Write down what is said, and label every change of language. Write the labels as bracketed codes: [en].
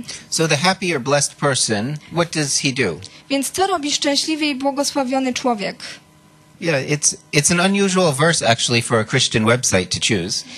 [en] So the happy or blessed person, what does he do? [pl] Więc co robi szczęśliwy i błogosławiony człowiek? [en] Yeah, it's an unusual verse actually for a Christian website to choose.